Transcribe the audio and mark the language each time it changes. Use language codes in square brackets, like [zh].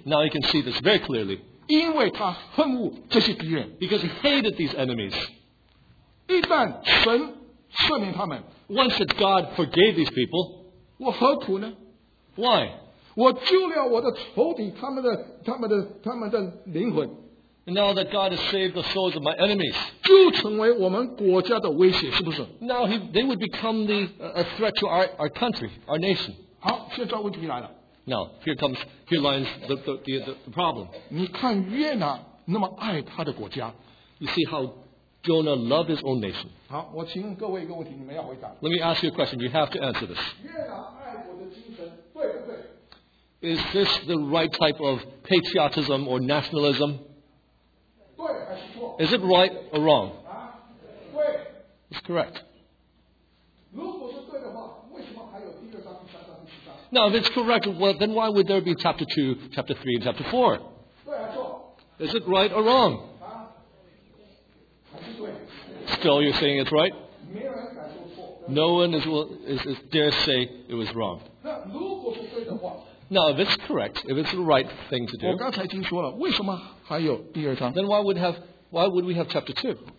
[en] Now you can see this very clearly. [zh] 因为他恨恶这些敌人。 [en] Because he hated these enemies. [zh] 一旦神赦免他们, [en] once that God forgave these people, [zh] 我何苦呢? [en] Why? [zh] 我救了我的仇敌他们的灵魂。 [en] And now that God has saved the souls of my enemies, [zh] 就成为我们国家的威胁，是不是? [en] Now they would become a threat to our country, our nation. [zh] 好，现在问题来了。 [en] Now here lies the problem. [zh] 你看约拿那么爱他的国家。 [en] You see how Jonah loved his own nation. [zh] 好，我请问各位一个问题，你们要回答。 [en] Let me ask you a question. You have to answer this. [zh] 约拿爱国的精神对不对？ [en] Is this the right type of patriotism or nationalism? [zh] 对还是错？ [en] Is it right or wrong? [zh] 啊，对。 [en] It's correct. [zh] 如果是对的话，为什么还有第二章、第三章、第四章？ [en] Now, if it's correct, well, then why would there be chapter 2, chapter 3, and chapter 4? [zh] 对还是错？ [en] Is it right or wrong? [zh] 啊，还是对。 [en] Still, you're saying it's right? [zh] 没有人敢说错。 [en] No one dare say it was wrong. [zh] 那如果是对的话？ [en] Now, if it's correct, if it's the right thing to do, [zh] 我刚才已经说了, 为什么还有第二章? [en] Then why would we have chapter 2?